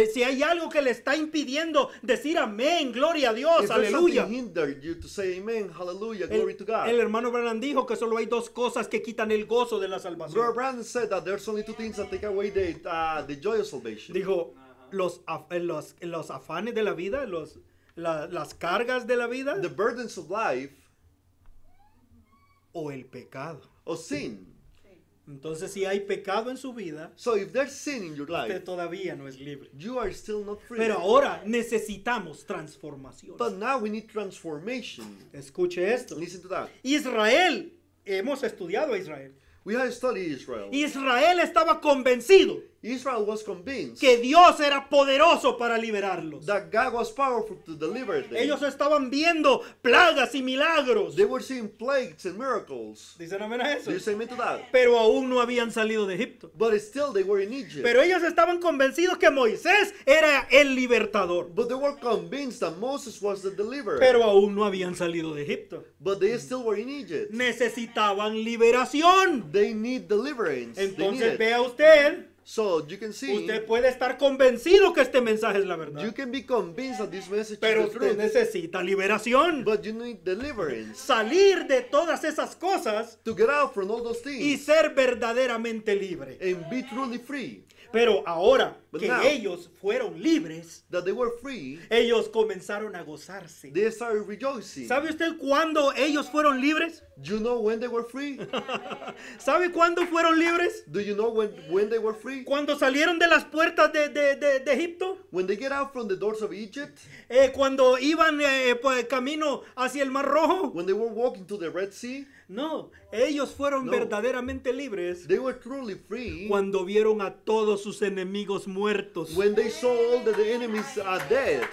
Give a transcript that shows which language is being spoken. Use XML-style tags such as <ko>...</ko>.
<es>Si hay algo que le está impidiendo decir amén, gloria a Dios, aleluya.</es> <en>If there's something hinder you to say amen, hallelujah, glory to God.</en> <es>El hermano Branham dijo que solo hay dos cosas que quitan el gozo de la salvación.</es> <en>Brother Branham said that there's only two things that take away the joy of salvation.</en> <es>Dijo, los afanes de la vida, las cargas de la vida.</es> <en>The burdens of life.</en> <es>O el pecado.</es> <en>O sin.</en> <es>Entonces, si hay pecado en su vida,</es> <en>so if there's sin in your life,</en> <es>usted todavía no es libre.</es> <en>You are still not free.</en> <es>Pero ahora necesitamos transformación.</es> <en>But now we need transformation.</en> <es>Escuche esto.</es> <en>Listen to that.</en> <es>Israel, hemos estudiado a Israel.</es> <en>We have studied Israel.</en> <es>Israel estaba convencido.</es> <en>Israel was convinced</en> <es>que Dios era poderoso para liberarlos.</es> <en>That God was powerful to deliver them.</en> <es>Ellos estaban viendo plagas y milagros.</es> <en>They were seeing plagues and miracles.</en> <es>¿Dicen amén a eso?</es> <en>Do you say amen to that?</en> <es>Pero aún no habían salido de Egipto.</es> <en>But still they were in Egypt.</en> <es>Pero ellos estaban convencidos que Moisés era el libertador.</es> <en>But they were convinced that Moses was the deliverer.</en> <es>Pero aún no habían salido de Egipto.</es> <en>But they still were in Egypt.</en> <es>Necesitaban liberación.</es> <en>They need deliverance.</en> <es>Entonces vea usted.</es> <en>So you can see,</en> <es>usted puede estar convencido que este mensaje es la verdad.</es> <en>You can be convinced that this message</en> <es>pero</es> <en>is the truth.</en> <es>Usted necesita liberación.</es> <en>But you need deliverance.</en> <es>Salir de todas esas cosas.</es> <en>To get out from all those things.</en> <es>Y ser verdaderamente libre.</es> <en>And be truly free.</en> <es>Pero ahora, que now, ellos fueron libres,</es> <en>that they were free,</en> <es>ellos comenzaron a gozarse.</es> <en>They started rejoicing.</en> <es>¿Sabe usted cuándo ellos fueron libres?</es> <en>You know when they were free?</en> <es>¿Sabe cuándo fueron libres?</es> <en>Do you know when they were free?</en> <es>¿Cuándo salieron de las puertas de Egipto?</es> <en>When they get out from the doors of Egypt?</en> <es>¿Cuándo iban por el camino hacia el Mar Rojo?</es> <en>When they were walking to the Red Sea?</en> <es>No, ellos fueron verdaderamente libres.</es> <en>They were truly free.</en> <es>Cuando vieron a todos sus enemigos muertos.</es> <en>When they saw all the enemies are dead.</en>